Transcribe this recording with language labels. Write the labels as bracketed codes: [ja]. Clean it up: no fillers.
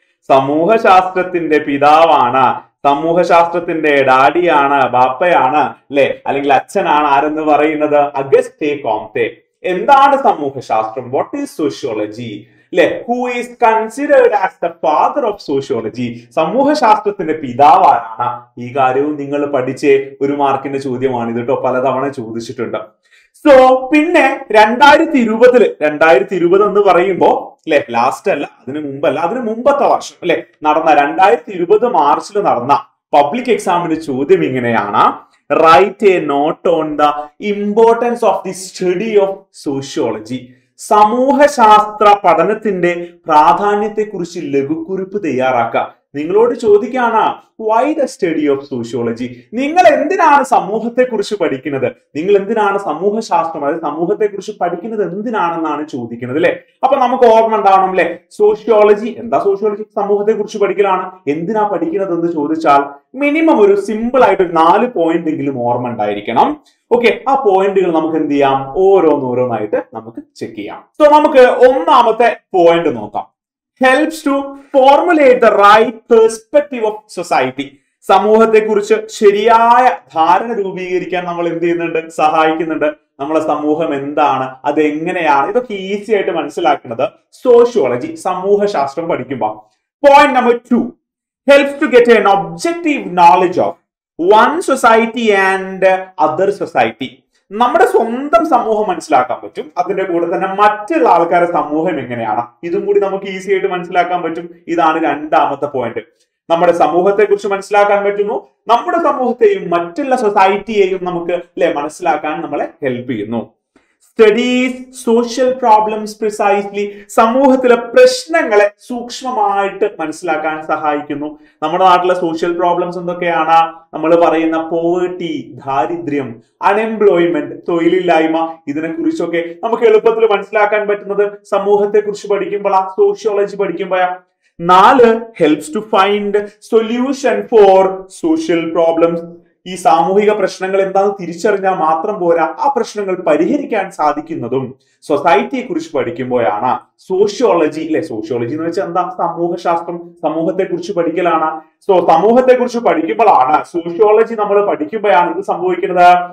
[ml] സമൂഹശാസ്ത്രത്തിന്റെ പിതാവാണ്, സമൂഹശാസ്ത്രത്തിന്റെ ഡാഡിയാണ്, ബാപ്പയാണ്, അല്ലെ, അല്ലെങ്കിൽ അച്ഛനാണ് ആരെന്ന് പറയുന്നത്? August Comte. എന്താണ് സമൂഹശാസ്ത്രം? [en] What is sociology? Who is considered as the father of sociology? [ml] സമൂഹശാസ്ത്രത്തിന്റെ പിതാവാണ്. ഈ കാര്യവും നിങ്ങൾ പഠിച്ചേ 1 മാർക്കിന്റെ ചോദ്യമാണ് ഇതോ, പലതവണ ചോദിച്ചിട്ടുണ്ട്. സോ പിന്നെ 2020 എന്ന് പറയുമ്പോ, അല്ലെ, ലാസ്റ്റ് അല്ല, അതിന് മുമ്പല്ല, അതിന് മുമ്പത്തെ വർഷം അല്ലെ നടന്ന 2020 മാർച്ചിൽ നടന്ന പബ്ലിക് എക്സാമിന്റെ ചോദ്യം ഇങ്ങനെയാണ്. [en] Write a note on the importance of the study of sociology. [ml] സമൂഹശാസ്ത്ര പഠനത്തിന്റെ പ്രാധാന്യത്തെ കുറിച്ച് ലഘുക്കുറിപ്പ് തയ്യാറാക്കുക. നിങ്ങളോട് ചോദിക്കുകയാണ്, [en] Why the study of sociology? [ml] നിങ്ങൾ എന്തിനാണ് സമൂഹത്തെ കുറിച്ച് പഠിക്കുന്നത്? നിങ്ങൾ എന്തിനാണ് സമൂഹശാസ്ത്രം, അതായത് സമൂഹത്തെ കുറിച്ച് പഠിക്കുന്നത് എന്തിനാണെന്നാണ് ചോദിക്കുന്നത്, അല്ലെ? അപ്പൊ നമുക്ക് ഓർമ്മ ഉണ്ടാവണം, അല്ലെ, സോഷ്യോളജി, എന്താ സോഷ്യോളജി? സമൂഹത്തെ കുറിച്ച് പഠിക്കലാണ്. എന്തിനാ പഠിക്കുന്നത് എന്ന് ചോദിച്ചാൽ മിനിമം ഒരു സിമ്പിൾ ആയിട്ട് 4 പോയിന്റ് എങ്കിലും ഓർമ്മ ഉണ്ടായിരിക്കണം. ഓക്കെ, ആ പോയിന്റുകൾ നമുക്ക് എന്ത് ചെയ്യാം? ഓരോന്നോരോന്നായിട്ട് നമുക്ക് ചെക്ക് ചെയ്യാം. സോ നമുക്ക് 1 പോയിന്റ് നോക്കാം. [en] Helps to formulate the right perspective of society. [ml] സമൂഹത്തെ കുറിച്ച് ശരിയായ ധാരണ രൂപീകരിക്കാൻ നമ്മൾ എന്ത് ചെയ്യുന്നുണ്ട്? സഹായിക്കുന്നുണ്ട്. നമ്മളെ സമൂഹം എന്താണ്, അത് എങ്ങനെയാണ്, ഇതൊക്കെ ഈസി ആയിട്ട് മനസ്സിലാക്കുന്നത് സോഷ്യോളജി, സമൂഹശാസ്ത്രം പഠിക്കുമ്പോ. [en] Point number 2, Helps to get an objective knowledge of one society and other society. [ml] നമ്മുടെ സ്വന്തം സമൂഹം മനസ്സിലാക്കാൻ പറ്റും, അതിന്റെ കൂടെ തന്നെ മറ്റുള്ള ആൾക്കാരുടെ സമൂഹം എങ്ങനെയാണ് ഇതും കൂടി നമുക്ക് ഈസി ആയിട്ട് മനസ്സിലാക്കാൻ പറ്റും. ഇതാണ് 2nd point. നമ്മുടെ സമൂഹത്തെ കുറിച്ച് മനസ്സിലാക്കാൻ പറ്റുന്നു, നമ്മുടെ സമൂഹത്തെയും മറ്റുള്ള സൊസൈറ്റിയെയും നമുക്ക് അല്ലെ മനസ്സിലാക്കാൻ നമ്മളെ ഹെൽപ്പ് ചെയ്യുന്നു. [en] studies social problems precisely, [ml] സമൂഹത്തിലെ പ്രശ്നങ്ങളെ സൂക്ഷ്മമായിട്ട് മനസ്സിലാക്കാൻ സഹായിക്കുന്നു. നമ്മുടെ നാട്ടിലെ സോഷ്യൽ പ്രോബ്ലംസ് എന്തൊക്കെയാണ്? നമ്മൾ പറയുന്ന പോവേർട്ടി, ദാരിദ്ര്യം, അൺഎംപ്ലോയ്മെന്റ്, തൊഴിലില്ലായ്മ, ഇതിനെ കുറിച്ചൊക്കെ നമുക്ക് എളുപ്പത്തിൽ മനസ്സിലാക്കാൻ പറ്റുന്നത് സമൂഹത്തെ കുറിച്ച് പഠിക്കുമ്പോഴാ, sociology പഠിക്കുമ്പോഴാ. [en] 4, Helps to find solution for social problems. [ml] ഈ സാമൂഹിക പ്രശ്നങ്ങൾ എന്താണെന്ന് തിരിച്ചറിഞ്ഞാൽ മാത്രം പോരാ ആ പ്രശ്നങ്ങൾ പരിഹരിക്കാൻ സാധിക്കുന്നതും സൊസൈറ്റിയെ കുറിച്ച് പഠിക്കുമ്പോഴാണ്. സോഷ്യോളജി അല്ലെ, സോഷ്യോളജി എന്ന് വെച്ചാൽ എന്താ, സമൂഹശാസ്ത്രം, സമൂഹത്തെ കുറിച്ച് പഠിക്കലാണ്. സോ സമൂഹത്തെ കുറിച്ച് പഠിക്കുമ്പോഴാണ് സോഷ്യോളജി നമ്മൾ പഠിക്കുമ്പോഴാണ് ഇത് സംഭവിക്കുന്നത്.